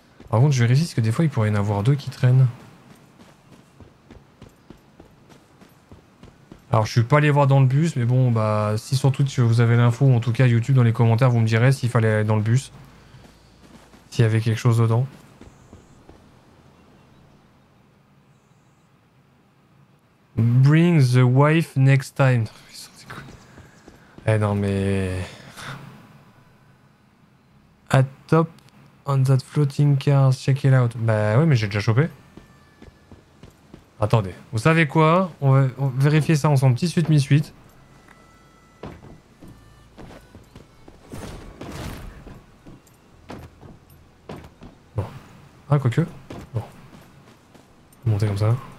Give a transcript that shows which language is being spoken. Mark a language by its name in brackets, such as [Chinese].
[French] Par contre, je vérifie, parce que des fois, il pourrait y en avoir deux qui traînent. Alors je suis pas allé voir dans le bus, mais bon, bah si sur Twitch vous avez l'info, ou en tout cas YouTube dans les commentaires, vous me direz s'il fallait aller dans le bus. S'il y avait quelque chose dedans. [English] Bring the wife next time. [French] Eh non mais... [English] At top on that floating car, check it out. [French] Bah ouais, mais j'ai déjà chopé. Attendez, vous savez quoi? On va vérifier ça ensemble. Petit suite, mi-suite. Bon. Ah, quoique. Bon. Monter comme ça.